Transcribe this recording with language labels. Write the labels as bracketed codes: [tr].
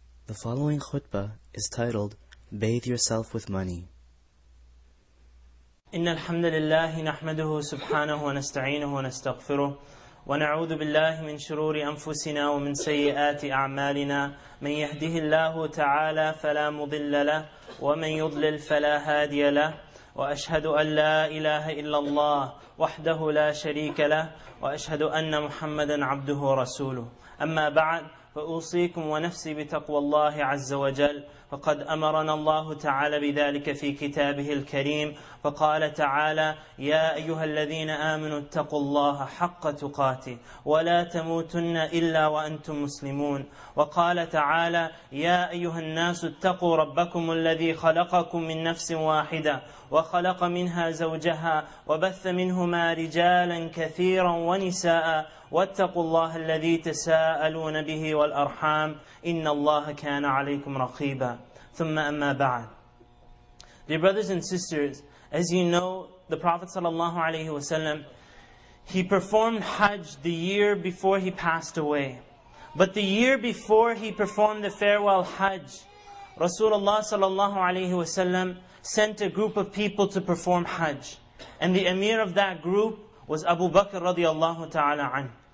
[en] The following khutbah is titled, Bathe Yourself with Money. [ar] إِنَّ الْحَمْدَ لِلَّهِ نَحْمَدُهُ سُبْحَانَهُ وَنَسْتَعِينُهُ وَنَسْتَغْفِرُهُ وَنَعُوذُ بِاللَّهِ مِنْ شُرُورِ أَنفُسِنَا وَمِنْ سَيِّئَاتِ أَعْمَالِنَا مَنْ يَهْدِهِ اللَّهُ تَعَالَى فَلَا مُضِلَّ لَهُ وَمَنْ يُضْلِلْ فَلَا هَادِيَ لَهُ وأشهد أن لا إله إلا الله وحده لا شريك له وأشهد أن محمدا عبده ورسوله أما بعد فأوصيكم ونفسي بتقوى الله عز وجل فقد أمرنا الله تعالى بذلك في كتابه الكريم فقال تعالى يا أيها الذين آمنوا اتقوا الله حق تقاته ولا تموتن إلا وأنتم مسلمون وقال تعالى يا أيها الناس اتقوا ربكم الذي خلقكم من نفس واحدة وخلق منها زوجها وبث منهما رجالا كثيرا ونساء واتقوا الله الذي تساءلون به والأرحام إن الله كان عليكم رقيبا ثم أما بعد. [en] Dear brothers and sisters, as you know, the Prophet sallallahu alaihi wasallam, he performed Hajj the year before he passed away. But the year before he performed the farewell Hajj, Rasulullah sallallahu alaihi wasallam sent a group of people to perform Hajj, and the Amir of that group was Abu Bakr radiallahu ta'ala anhu.